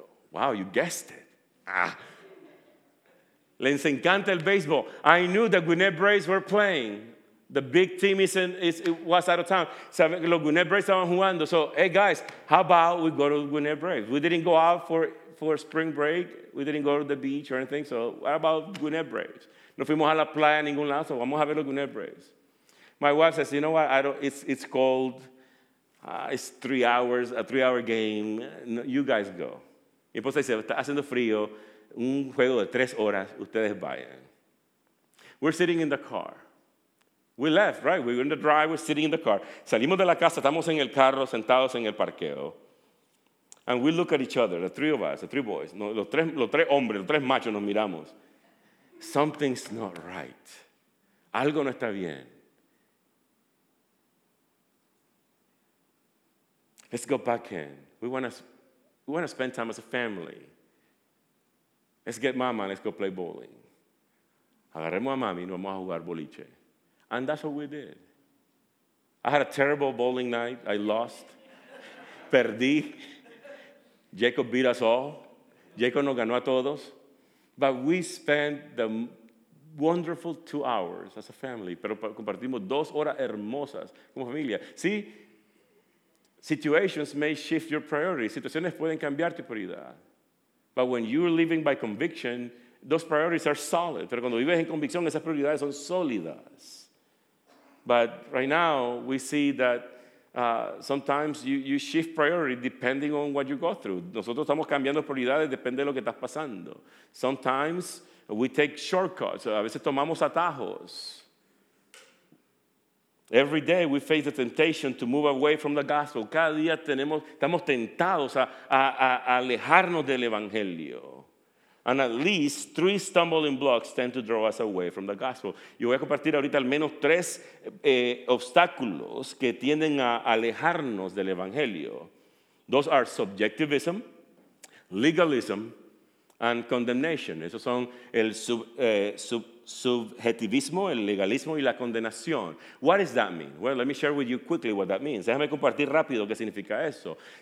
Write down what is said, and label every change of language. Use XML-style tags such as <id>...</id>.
<en>Wow, you guessed it. Ah.</en> <es>Les encanta el béisbol.</es> <en>I knew the Gwinnett Braves were playing. The big team was out of town.</en> <es>Los Gwinnett Braves estaban jugando.</es> <en>So, hey, guys, how about we go to Gwinnett Braves? We didn't go out for spring break. We didn't go to the beach or anything. So what about Gwinnett Braves?</en> <es>No fuimos a la playa a ningún lado. So vamos a ver los Gwinnett Braves.</es> <en>My wife says, you know what? It's cold. It's 3 hours, a three-hour game. No, you guys go.</en> <es>Mi esposa dice, está haciendo frío. Un juego de 3 horas. Ustedes vayan.</es> <en>We're sitting in the car. We left, right? We were in the drive. We're sitting in the car.</en> <es>Salimos de la casa. Estamos en el carro, sentados en el parqueo.</es> <en>And we look at each other, the three of us, the three boys.</en> <es>No, los tres hombres, los tres machos nos miramos.</es> <en>Something's not right.</en> <es>Algo no está bien.</es> <en>Let's go back in. We want to spend time as a family. Let's get mama and let's go play bowling.</en> <es>Agarremos a mami y nos vamos a jugar boliche.</es> <en>And that's what we did. I had a terrible bowling night. I lost.</en> <es>Perdí.</es> <en>Jacob beat us all.</en> <es>Jacob nos ganó a todos.</es> <en>But we spent the wonderful 2 hours as a family.</en> <es>Pero compartimos 2 horas hermosas como familia.</es> <en>See, situations may shift your priorities.</en> <es>Situaciones pueden cambiar tu prioridad.</es> <en>But when you're living by conviction, those priorities are solid.</en> <es>Pero cuando vives en convicción, esas prioridades son sólidas.</es> <en>But right now, we see that sometimes you shift priority depending on what you go through.</en> <es>Nosotros estamos cambiando prioridades depende de lo que estás pasando.</es> <en>Sometimes we take shortcuts.</en> <es>A veces tomamos atajos.</es> <en>Every day we face the temptation to move away from the gospel.</en> <es>Cada día estamos tentados a alejarnos del evangelio.</es> <en>And at least 3 stumbling blocks tend to draw us away from the gospel.</en> <es>Yo voy a compartir ahorita al menos 3 obstáculos que tienden a alejarnos del evangelio.</es> <en>Those are subjectivism, legalism, and condemnation.</en> <es>Esos son el subjetivismo, el legalismo y la condenación.</es> <en>What does that mean? Well, let me share with you quickly what that means.</en> <es>Déjame compartir rápido qué significa eso.</es>